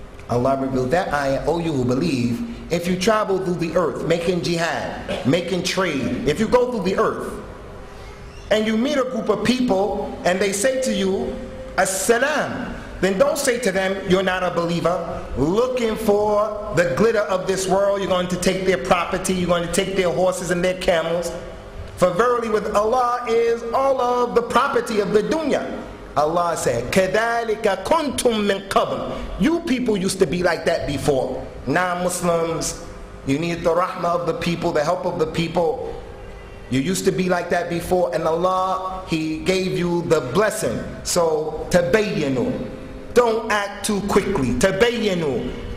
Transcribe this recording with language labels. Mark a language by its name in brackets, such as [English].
[English] Allah revealed that ayah, O you who believe, if you travel through the earth making jihad, making trade, if you go through the earth and you meet a group of people and they say to you, As-salam, then don't say to them, you're not a believer, looking for the glitter of this world, you're going to take their property, you're going to take their horses and their camels. For verily with Allah is all of the property of the dunya. [Arabic] Allah said, كَذَلِكَ كُنْتُمْ مِنْ قَبْلُ. [English] You people used to be like that before. Non-Muslims, you need the rahmah of the people, the help of the people. You used to be like that before, and Allah, He gave you the blessing. So, tabayyanu. Don't act too quickly. Tabayyanu.